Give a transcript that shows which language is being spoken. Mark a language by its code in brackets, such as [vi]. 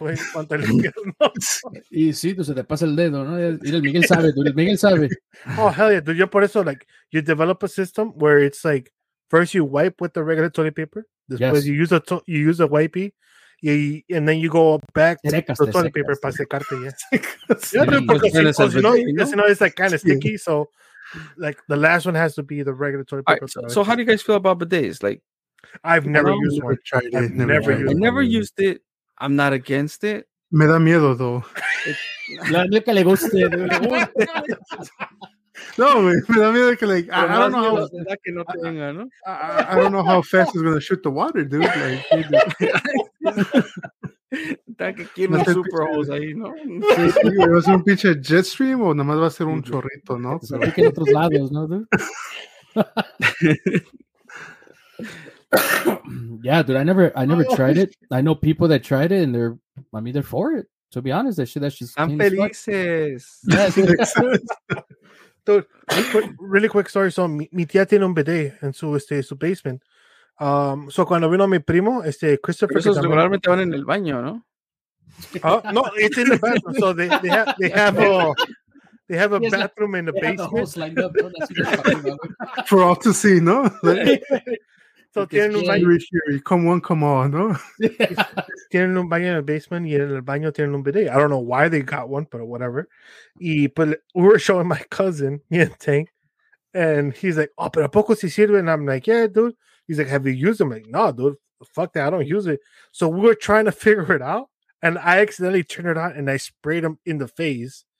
[es] Y sí, tú se te pasa el dedo, ¿no? El Miguel sabe. [en] Oh, hell yeah, dude. [es] Yo por eso, [en] like, you develop a system where it's like, first, you wipe with the regular toilet paper. [es] Después, [en] yes. you use a wipey, and then you go back to the toilet paper [es] para secarte. [en] Yeah. It's like kind of sticky. So, like the last one has to be the regular toilet paper. So, how do you guys feel about bidets? Like, I've never used it. I'm not against it. [es] Me da miedo [en] though. [es] La mía que le guste. No, me da miedo que, [en] like, I don't know how fast it's going to shoot the water, dude. Like, super [es] hose ahí, ¿no? Sí, sí, un jet stream o nomás va a ser un chorrito, ¿no? Que en otros lados, ¿no, dude? [en] Yeah, dude, I never tried it. I know people that tried it and they're for it. To be honest, that's just... I'm [es] felices. [en] Dude, really quick story. [es] So, mi tía tiene un bidet en su basement. So, cuando vino mi primo, Christopher... Pero esos regularmente van en el baño, ¿no? [en] No, it's in the bathroom. So, they have a bathroom in the basement. For all to see, ¿no? [es] So, tienen un baño. [en] Come one, come all, ¿no? [es] Tienen un baño en el basement y en el baño tienen un bidet. [en] I don't know why they got one, but whatever. But we were showing my cousin, me and Tank, and he's like, oh, [es] pero ¿a poco si sirve? [en] And I'm like, yeah, dude. He's like, have you used it? I'm like, no, dude. Fuck that. I don't use it. So we were trying to figure it out, and I accidentally turned it on, and I sprayed him in the face.